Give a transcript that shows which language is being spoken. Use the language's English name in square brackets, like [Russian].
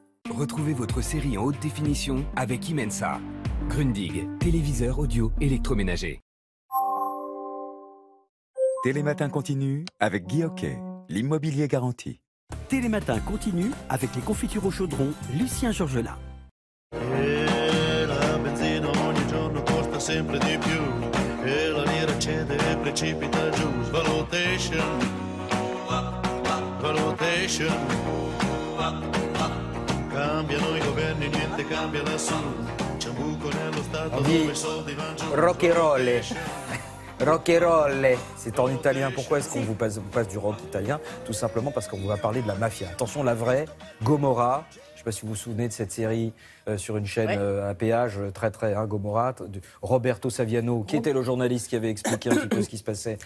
[French] Retrouvez votre série en haute définition avec Imensa. Grundig, téléviseur audio électroménager. Télématin continue avec Guy Hoquet, l'immobilier garanti. Télématin continue avec les confitures au chaudron, Lucien Georgelin. [Italian] Et la benzine ogni giorno costa sempre di più. E la lira cede e precipita giù. Svalutation. Svalutation. Cambiano i governi, niente cambia lassù. C'è un buco nello stato dove i soldi van giù. [French] Rock and roll. Rock and roll, c'est en italien. Pourquoi est-ce qu'on vous passe du rock italien? Tout simplement parce qu'on vous va parler de la mafia. Attention, la vraie, Gomorra. Je ne sais pas si vous vous souvenez de cette série sur une chaîne à péage, très, Gomorra, de Roberto Saviano, qui était le journaliste qui avait expliqué un petit peu ce qui se passait